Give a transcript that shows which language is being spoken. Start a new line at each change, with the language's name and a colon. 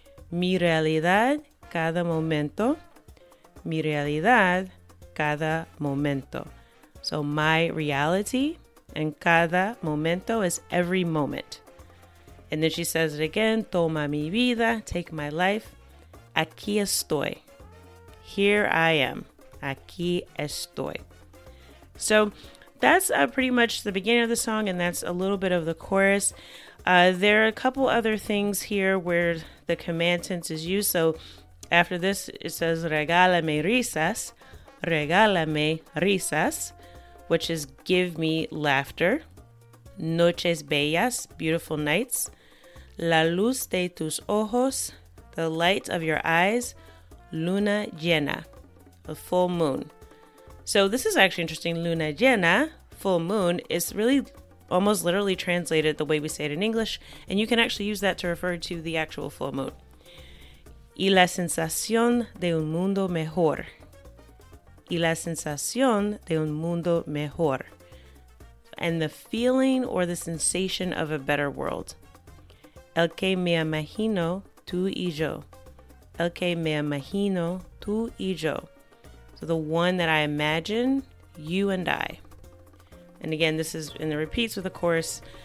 Spanish: Mi realidad cada momento, mi realidad cada momento.
English: So my reality, and
Spanish: cada momento
English: is every moment. And then she says it again,
Spanish: toma mi vida,
English: take my life.
Spanish: Aquí estoy.
English: Here I am.
Spanish: Aquí estoy.
English: So that's pretty much the beginning of the song, and that's a little bit of the chorus. There are a couple other things here where the command tense is used. So after this, it says,
Spanish: regálame risas. Regálame risas,
English: which is give me laughter.
Spanish: Noches bellas,
English: beautiful nights.
Spanish: La luz de tus ojos,
English: the light of your eyes,
Spanish: luna llena,
English: a full moon. So this is actually interesting.
Spanish: Luna llena,
English: full moon, is really almost literally translated the way we say it in English. And you can actually use that to refer to the actual full moon.
Spanish: Y la sensación de un mundo mejor. Y la sensación de un mundo mejor.
English: And the feeling or the sensation of a better world.
Spanish: El que me imagino, tú y yo. El que me imagino, tú y yo.
English: So the one that I imagine, you and I. And again, this is in the repeats of the chorus.